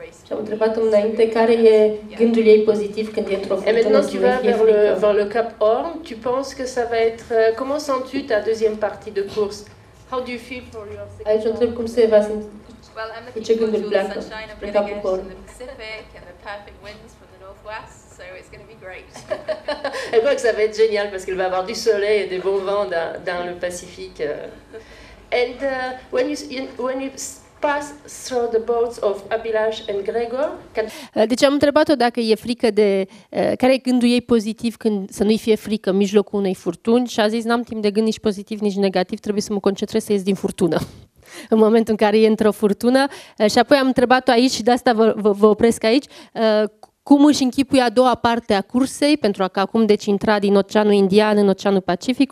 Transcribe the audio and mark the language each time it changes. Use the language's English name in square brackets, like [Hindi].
[Romanian] Am întrebat înainte care e gândul ei pozitif când e într-o furtună. [French] Et maintenant tu vas vers le Cap Horn, tu penses que ça va être comment sens-tu ta deuxième partie de course? [English] How do you feel for your second? [Romanian] Aici, cum se va simți? [English] Well, I'm looking forward to the sunshine, I'm going to get to the Pacific and the perfect winds from the northwest, so it's going to be great. [French] Elle pense que ça va être génial parce qu'il va avoir du soleil et des bons vents dans le Pacifique. [English] And when you pass through the boats of Abilash and Gregor. [Romanian] Deci am întrebat-o dacă e frică de care e gândul ei pozitiv când să nu-i fie frică în mijlocul unei furtuni și a zis n-am timp de gând nici pozitiv nici negativ, trebuie să mă concentrez să ies din furtună. În momentul în care e într-o furtună și apoi am întrebat-o aici și de asta vă opresc aici, cum își închipuie a doua parte a cursei pentru că acum deci intra din Oceanul Indian în Oceanul Pacific.